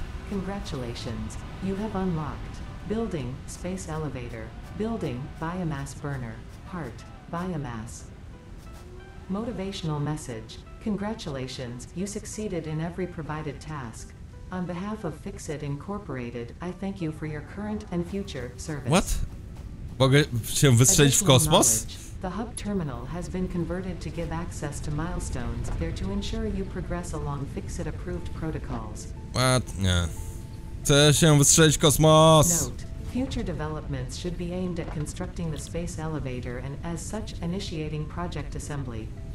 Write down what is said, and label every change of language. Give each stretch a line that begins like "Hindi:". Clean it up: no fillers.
English: Congratulations, you have unlocked building space elevator, building biomass burner, heart biomass. Motivational message. Congratulations, you succeeded in every provided task. On behalf of Fixit Incorporated, I thank you for your current and future service. What?
Polish: Mogę się wystrzelić w kosmos?
English: The hub terminal has been converted to give access to milestones there to ensure you progress along Fixit approved protocols. What?
Polish: Nie. Chcę się wystrzelić w kosmos!
English: Note. Future developments should be aimed at constructing the space elevator and as such initiating project assembly.